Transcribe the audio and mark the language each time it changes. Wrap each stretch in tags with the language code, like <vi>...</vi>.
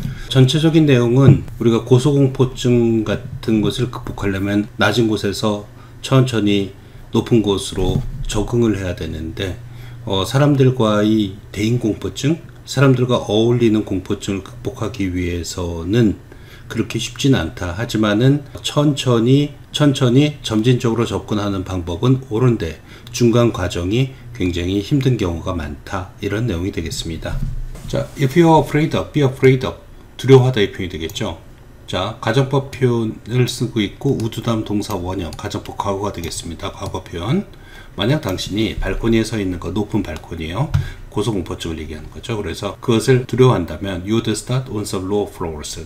<ko>전체적인 내용은 우리가 고소공포증 같은 것을 극복하려면 낮은 곳에서 천천히 높은 곳으로 적응을 해야 되는데 사람들과의 대인공포증, 사람들과 어울리는 공포증을 극복하기 위해서는 그렇게 쉽진 않다. 하지만은 천천히 점진적으로 접근하는 방법은 옳은데 중간 과정이 굉장히 힘든 경우가 많다. 이런 내용이 되겠습니다.</ko> <en>자, if you are afraid of, be afraid of.</en> <ko>두려워하다의 표현이 되겠죠. 자, 가정법 표현을 쓰고 있고 우두담 동사 원형, 가정법 과거가 되겠습니다. 과거 표현. 만약 당신이 발코니에 서 있는 거, 높은 발코니에요. 고소공포증을 얘기하는 거죠. 그래서 그것을 두려워한다면</ko> <en>you would start on some low floors.</en>